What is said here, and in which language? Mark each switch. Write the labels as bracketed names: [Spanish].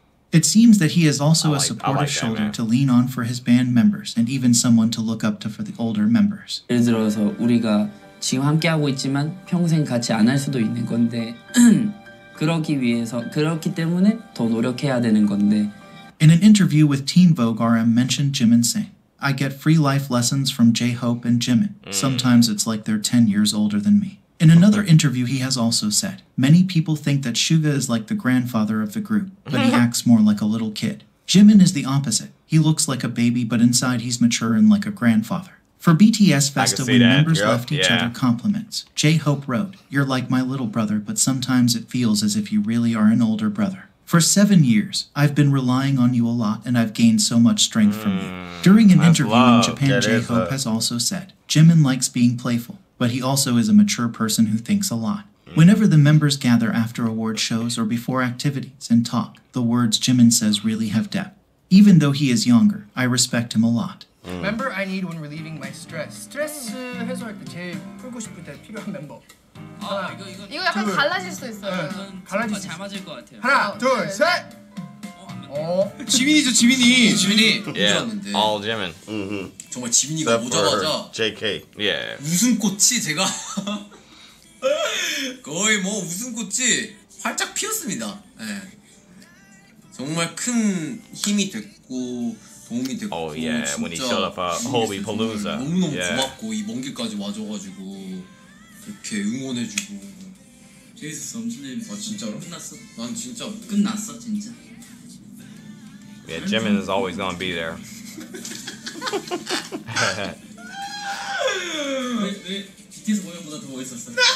[English] It seems that he is also a supportive shoulder to lean on for his band members and even someone to look up to for the older members. [Korean] 예를 들어서 우리가 지금 함께하고 있지만 평생 같이 안 할 수도 있는 건데 그러기 위해서 그렇기 때문에 더 노력해야 되는 건데 [English] In an interview with Teen Vogue, RM mentioned Jimin saying, I get free life lessons from J-Hope and Jimin. Sometimes it's like they're 10 years older than me. In another interview, he has also said, many people think that Suga is like the grandfather of the group, but he acts more like a little kid. Jimin is the opposite. He looks like a baby, but inside he's mature and like a grandfather. For BTS Festa, when members left each other compliments, J-Hope wrote, You're like my little brother, but sometimes it feels as if you really are an older brother. For 7 years, I've been relying on you a lot, and I've gained so much strength from you. During an interview in Japan, J-Hope has also said, Jimin likes being playful, but he also is a mature person who thinks a lot. Whenever the members gather after award shows or before activities and talk, the words Jimin says really have depth. Even though he is younger, I respect him a lot. Member I need when relieving my stress. [Korean] 스트레스 해소할 때 제일 풀고 싶을 때 필요한 멤버. 하나, 이거 약간 둘. 갈라질 수 있어요. 네. 갈라질 잘 맞을 것 같아요. 하나, 둘, 셋. 안 맞네. 지민이죠, 지민이. 지민이. [English] Yeah. All Jimin. [Korean] 정말 지민이가 오자마자 [English] JK. Yeah. [Korean] 웃음꽃이 제가 거의 뭐 웃음꽃이 활짝 피었습니다. 예. 네. 정말 큰 힘이 됐고 [English] Oh yeah, when he showed up at Hobie Palooza. [Korean] 너무너무 고맙고 이 먼 길까지 와줘가지고 이렇게 응원해주고. 제이스 섬진님. 아 진짜로? 끝났어. 난 진짜 끝났어 진짜. [English] Yeah, Jimin is always gonna be there. [Korean] 왜 BTS 공연보다 더 멋있었어?